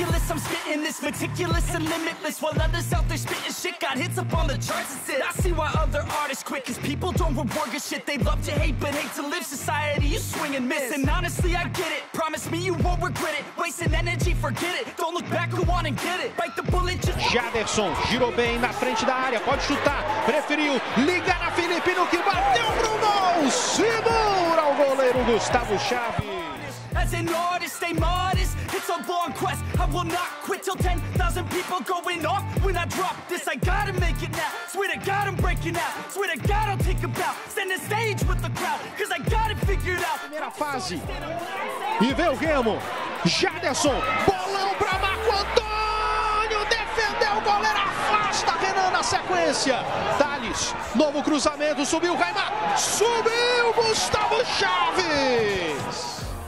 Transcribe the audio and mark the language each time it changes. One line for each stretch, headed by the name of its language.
English: I'm spitting this meticulous and limitless while others out there spitting shit. Got hits up on the charts and sit. I see why other artists quit, cause people don't reward good shit. They love to hate, but hate to live. Society, you swing and miss. And honestly, I get it. Promise me you won't regret it. Wasting energy, forget it. Don't look back, go on and get it. Bite the bullet, just...
Portuguese: Jaderson girou bem na frente da área. Pode chutar. Preferiu ligar na Felipe no que bateu pro gol. Segura o goleiro Gustavo Chaves.
English: As an artist, stay modest. It's a long quest, I will not quit till 10,000 people going off. When I drop this, I gotta make it now. Swear to God, I'm breaking out. Swear to God, I'll take a bow. Stand the stage with the crowd, cause I got it figured out.
Portuguese: Primeira fase. E vem o Remo. Jaderson. Bolão pra Marco Antônio. Defendeu o goleiro. Afasta Renan na sequência. Thales. Novo cruzamento. Subiu o Raimar. Subiu Gustavo Chaves.